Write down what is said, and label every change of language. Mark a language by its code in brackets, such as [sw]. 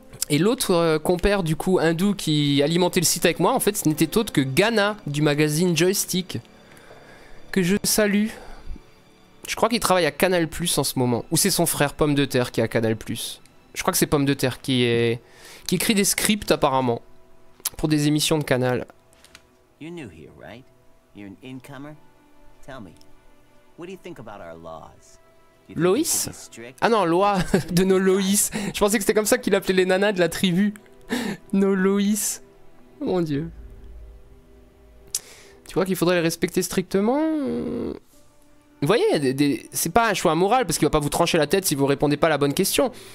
[fr] Et l'autre compère du coup hindou qui alimentait le site avec moi, en fait, ce n'était autre que Ghana du magazine Joystick, que je salue. Je crois qu'il travaille à Canal+, en ce moment. Ou c'est son frère, Pomme de Terre, qui est à Canal+. Je crois que c'est Pomme de Terre qui écrit des scripts, apparemment, pour des émissions de Canal. [en] You're new here, right? You're an incomer? Tell me, what do you think about our laws? [fr] Loïs? Ah non, loi de nos Loïs. Je pensais que c'était comme ça qu'il appelait les nanas de la tribu. Nos Loïs. Mon dieu. Tu crois qu'il faudrait les respecter strictement? Vous voyez, c'est pas un choix moral, parce qu'il va pas vous trancher la tête si vous répondez pas à la bonne question.